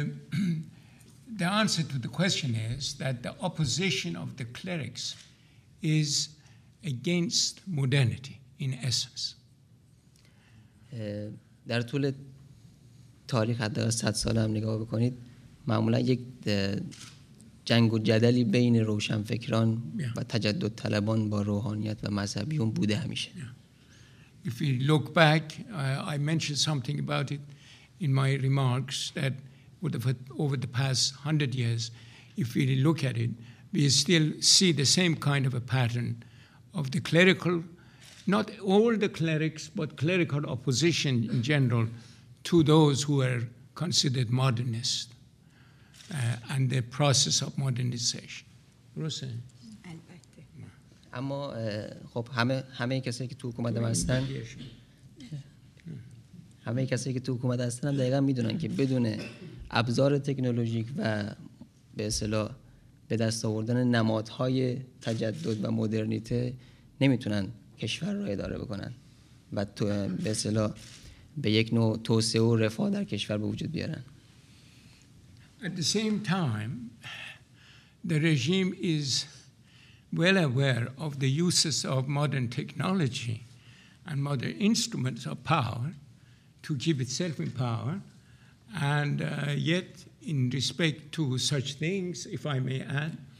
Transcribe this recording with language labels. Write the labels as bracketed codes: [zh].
[en] The answer to the question is that the opposition of the clerics is against modernity, in essence. [fa] در طول تاریخ حداقل 100 سال هم نگاه بکنید، معمولا یک جنگ و جدلی بین روشنفکران و تجدد طلبان با روحانیت و مذهبیون بوده همیشه. [en] If you look back, I mentioned something about it in my remarks, that over the past 100 years, if we look at it, we still see the same kind of a pattern of the clerical, not all the clerics, but clerical opposition in general to those who are considered modernist and the process of modernization. Rose. [fa] اما خب همه کسایی که تو حکومت هستن، همه کسایی که تو حکومت هستن هم دقیقا میدونن که بدون ابزار تکنولوژیک و به اصطلاح به دست آوردن نمادهای تجدد و مدرنیته نمیتونن کشور را اداره بکنن و تو به اصطلاح به یک نوع توسعه و رفاه در کشور به وجود بیارن. [en] At the same time, the regime is well aware of the uses of modern technology and modern instruments of power to keep itself in power, and yet in respect to such things, if I may add,